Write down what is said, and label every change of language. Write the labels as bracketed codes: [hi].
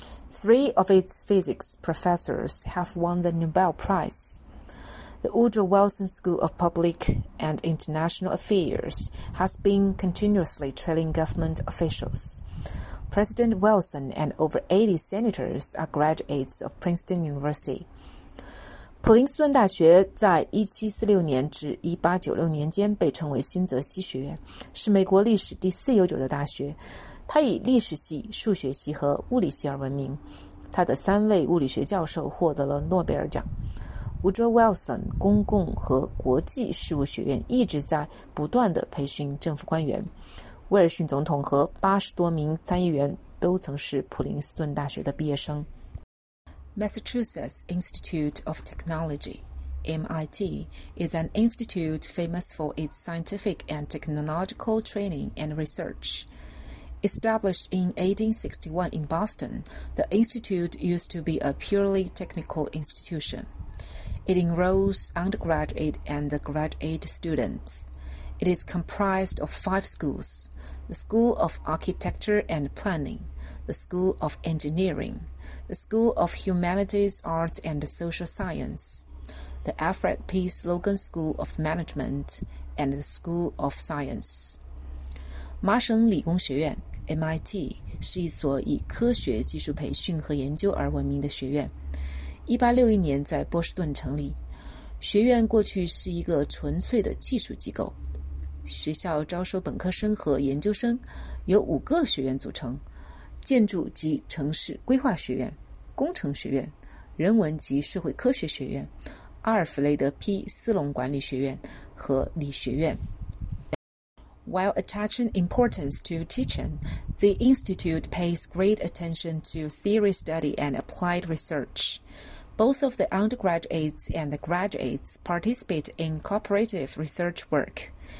[en] Three of its physics professors have won the Nobel Prize. The Woodrow Wilson School of Public and International Affairs has been continuously trailing government officials. President Wilson and over 80 senators are graduates of Princeton University. [zh] 普林斯顿大学在1746年至1896年间被称为新泽西学院，是美国历史第四悠久的大学。它以历史系、数学系和物理系而闻名。它的三位物理学教授获得了诺贝尔奖。 Woodrow Wilson 公共和国际事务学院一直在不断地培训政府官员。威尔逊总统和80多名参议员都曾是普林斯顿大学的毕业生。 [en] Massachusetts Institute of Technology, MIT, is an institute famous for its scientific and technological training and research. Established in 1861 in Boston, the institute used to be a purely technical institution. It enrolls undergraduate and graduate students. It is comprised of 5 schools, the School of Architecture and Planning, the School of Engineering, the School of Humanities, Arts and Social Science, the Alfred P. Sloan School of Management, and the School of Science. [zh] 麻省理工学院MIT 是一所以科学技术培训和研究而闻名的学院。 1861年在波士顿成立。学院过去是一个纯粹的技术机构。学校招收本科生和研究生，由5个学院组成：建筑及城市规划学院、工程学院、人文及社会科学学院、阿尔弗雷德 P. 斯隆管理学院和理学院。 [en] While attaching importance to teaching, the Institute pays great attention to theory study and applied research. Both of the undergraduates and the graduates participate in cooperative research work.